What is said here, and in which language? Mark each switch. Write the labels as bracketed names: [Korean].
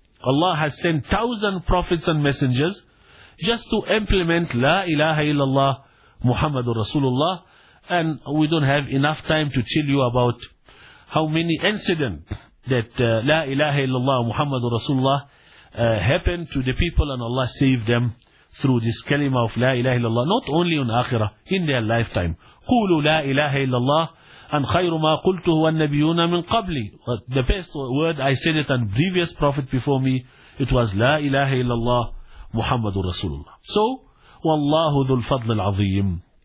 [English] Allah has sent 1,000 prophets and messengers just to implement La ilaha illallah Muhammadur Rasulullah. And we don't have enough time to tell you about how many incidents that La ilaha illallah Muhammadur Rasulullah happened to the people, and Allah saved them through this kalima of La ilaha illallah, not only on akhirah, in their lifetime. [Arabic] قولوا La ilaha illallah and خير ما قلته والنبيون من قبلي. [English] The best word I said it, and previous prophet before me, it was La ilaha illallah Muhammadur Rasulullah. [Arabic] So, والله ذو الفضل العظيم.